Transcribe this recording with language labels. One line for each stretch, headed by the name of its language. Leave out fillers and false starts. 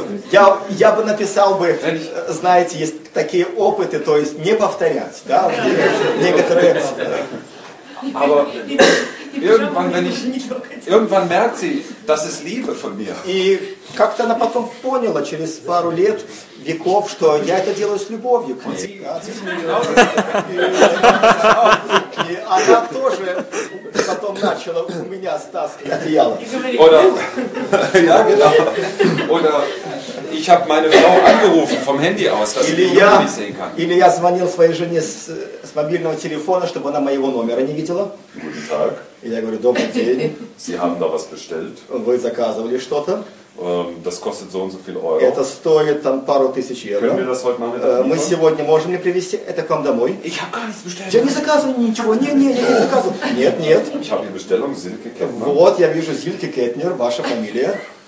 Russian: Я бы написал бы, знаете, есть такие опыты, то есть не повторять, да? Некоторые...
German: Aber irgendwann, wenn ich... Irgendwann merkt sie, das ist Liebe von mir.
Russian: И как-то она потом поняла через пару лет, веков, что я это делаю с любовью к ней. И она тоже потом начала у меня стаскивать одеяло.
German: Oder... Ja, genau. Oder... Ich habe meine Frau angerufen vom Handy aus, dass sie mich nicht sehen kann.
Russian: Или я звонил своей жене с мобильного телефона, чтобы она моего номера не видела.
German: Guten Tag.
Russian: И я говорю, добрый день.
German: Sie haben da was bestellt.
Russian: Вы заказывали что-то.
German: Das kostet so und so viel Euro.
Russian: Это стоит там пару тысяч евро.
German: Können wir das heute mal mit
Russian: Мы сегодня можем ли привезти это к вам домой?
German: Ich habe gar nichts bestellt.
Russian: Я не заказывал ничего. Нет, я не заказывал. Нет.
German: Ich habe die Bestellung Silke Kettner.
Russian: Вот, я вижу Silke Kettner, ваша фамилия.